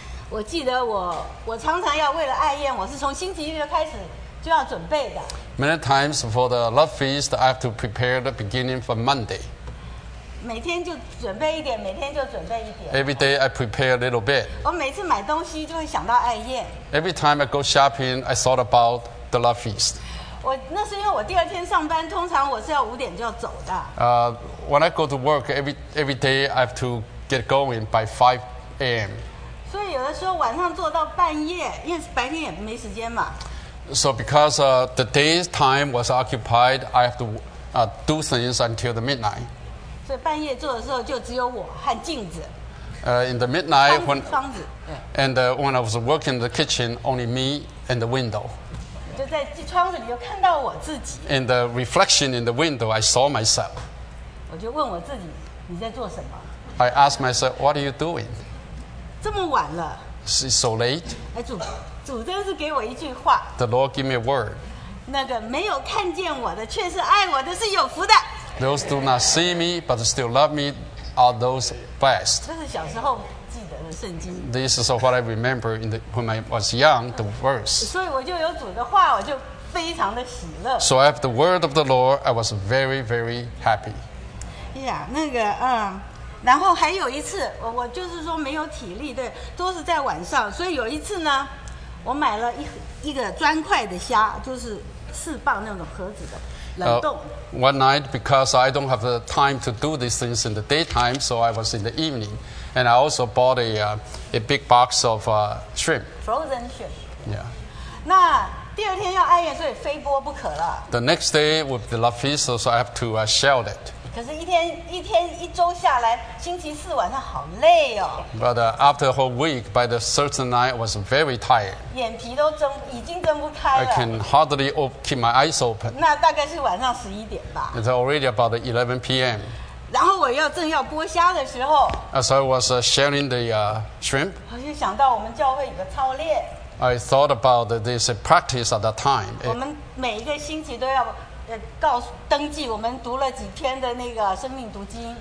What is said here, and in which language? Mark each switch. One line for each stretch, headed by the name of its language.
Chinese: 我记得我常常要为了爱宴，我是从星期一就开始就要准备的。
English: Many times for the love feast, I have to prepare the beginning for Monday.
Chinese: 每天就准备一点，每天就准备一点。
English: Every day I prepare a little bit.
Chinese: 我每次买东西就会想到爱宴。
English: Every time I go shopping, I thought about the love feast.
Chinese: 我那是因为我第二天上班，通常我是要五点就要走的。
English: When I go to work, every day I have to get going by 5 a.m.
Chinese: 所以有的时候晚上做到半夜，因为白天也没时间嘛。
English: So because the day's time was occupied, I have to do things until the midnight.
Chinese: 所以半夜做的时候就只有我和镜子。
English: In the midnight,
Chinese: 窗子
English: and when I was working in the kitchen, only me and the window.
Chinese: 就在窗子里就看到我自己。
English: In the reflection in the window, I saw myself.
Chinese: 我就问我自己，你在做什么？
English: I asked myself, what are you doing?
Chinese: 这么晚了
English: ，It's so late.
Chinese: 主真是给我一句话。
English: The Lord give me a word.
Chinese: 那个没有看见我的，却是爱我的，是有福的。
English: Those do not see me, but still love me, are those blessed.
Chinese: 这是小时候记得的圣经。
English: This is what I remember in the, when I was young, the verse.
Chinese: 所以我就有主的话，我就非常的喜乐。
English: So after the word of the Lord, I was very, very happy.
Chinese: Yeah, 那个然后还有一次，我就是说没有体力，对，都是在晚上。所以有一次呢，我买了一个砖块的虾，就是四磅那种盒子的冷冻。
English: One night, because I don't have the time to do these things in the daytime, so I was in the evening, and I also bought a big box of shrimp. Frozen shrimp. Yeah.
Chinese: 那第二天要爱宴，所以非剥不可了。
English: The next day would be the love feast, so I have to shell it.
Chinese: 可是一天一周下来，星期四晚上好累哦。
English: But after a whole week, by the third night, I was very tired.
Chinese: 眼皮都睁，已经睁不开了。
English: I can hardly keep my eyes open.
Chinese: 那大概是晚上十一点吧。
English: It's already about 11 p.m.
Chinese: 然后我要正要剥虾的时候
English: ，As I was sharing the shrimp,
Chinese: 我就想到我们教会有个操练。
English: I thought about this practice at that time.
Chinese: 我们每一个星期都要。告诉登记我们读了几篇的那个生命读经。